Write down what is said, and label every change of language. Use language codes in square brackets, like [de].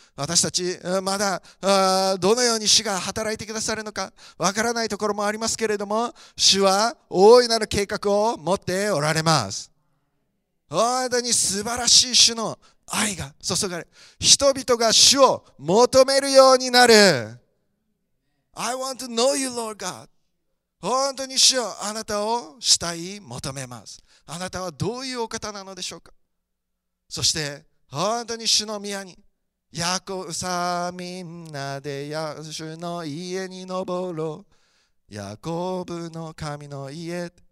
[ja] 私たちまだどのように主が働いてくださるのかわからないところもありますけれども、主は大いなる計画を持っておられます。本当に素晴らしい主の愛が注がれ、人々が主を求めるようになる。 [en] I want to know you Lord God。 [ja] 本当に主をあなたを慕い求めます。あなたはどういうお方なのでしょうか。そして本当に主の宮に、ヤコブさあみんなで主の家に登ろう、ヤコブの神の家。